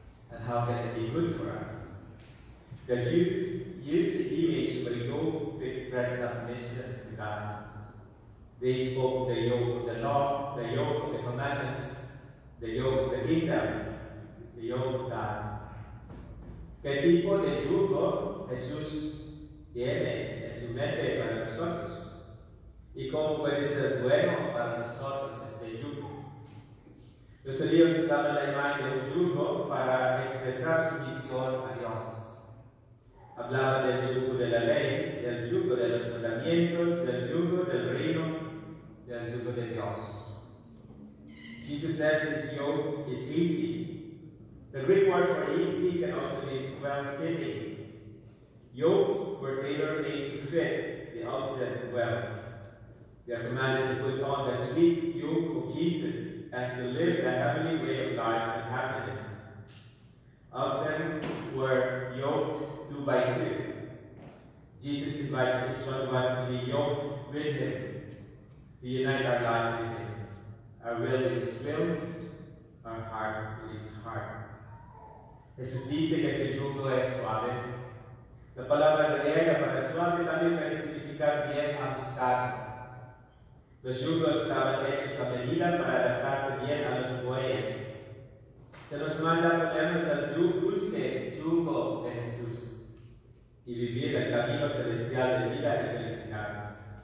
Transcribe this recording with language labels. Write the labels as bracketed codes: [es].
[en] And how can it be good for us? The Jews used the image of a yoke to express submission to God. They spoke the yoke of the law, the yoke of the commandments, the yoke of the kingdom, the yoke of God. [es] Que tipo de yugo Jesús tiene en su mente para nosotros? Y cómo puede ser bueno para nosotros este yugo? Los judíos usaban la imagen de un yugo para expresar su misión a Dios. Hablaban del yugo de la ley, del yugo de los mandamientos, del yugo del reino, del yugo de Dios. [en] Jesus says his yoke is easy. The Greek word for easy can also mean well-fitting. Yokes were tailor-made to fit the oxen well. They are commanded to put on the sweet yoke of Jesus and to live the heavenly way of life and happiness. Oxen were yoked two by two. Jesus invites each one of us to be yoked with him, to unite our life with him, our will with his will, our heart with his heart. [es] Jesús dice que su yugo es suave. La palabra griega para suave también puede significar bien ajustado. Los yugos estaban hechos a medida para adaptarse bien a los bueyes. Se nos manda ponernos al dulce yugo de Jesús y vivir el camino celestial de vida y felicidad.